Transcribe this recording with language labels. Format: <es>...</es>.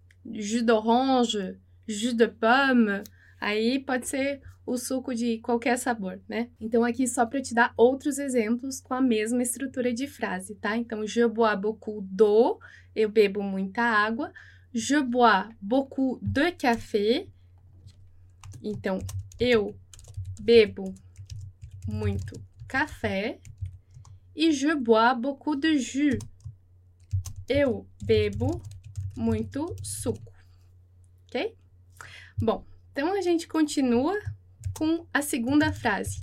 <fr>Jus d'orange, jus de pomme.</fr> <pt>Aí pode ser o suco de qualquer sabor, né? Então, aqui só para te dar outros exemplos com a mesma estrutura de frase, tá? Então,</pt> <fr>je bois beaucoup d'eau.</fr> <pt>Eu bebo muita água.</pt> <fr>Je bois beaucoup de café.</fr> <pt>Então, eu bebo muito café e</pt> <fr>je bois beaucoup de jus.</fr> <pt>Eu bebo muito suco. Ok? Bom, então a gente continua com a segunda frase.</pt>